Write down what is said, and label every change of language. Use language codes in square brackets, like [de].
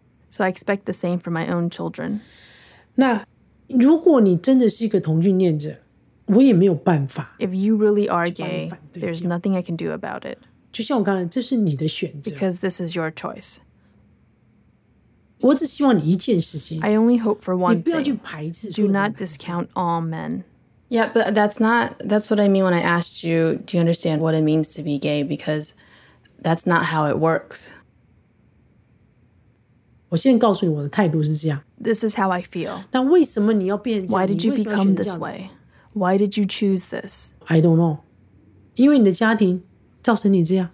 [en] So I expect the same from my own children. [zh] 那如果你真的是一个同性恋者, 我也没有办法, [en] if you really are gay, there's nothing I can do about it. [zh] 就像我刚才, [en] because this is your choice. [zh] 我只希望你一件事情, [en] I only hope for one [zh] 你不要去排斥所有的男孩子, [en] do not discount all men. Yeah, but that's what I mean when I asked you, do you understand what it means to be gay? Because that's not how it works. [zh] 我现在告诉你我的态度是这样。 [en] This is how I feel. [zh] 那为什么你要变成这样? [en] Why did you become this way? Why did you choose this? I don't know. [zh] 因为你的家庭造成你这样。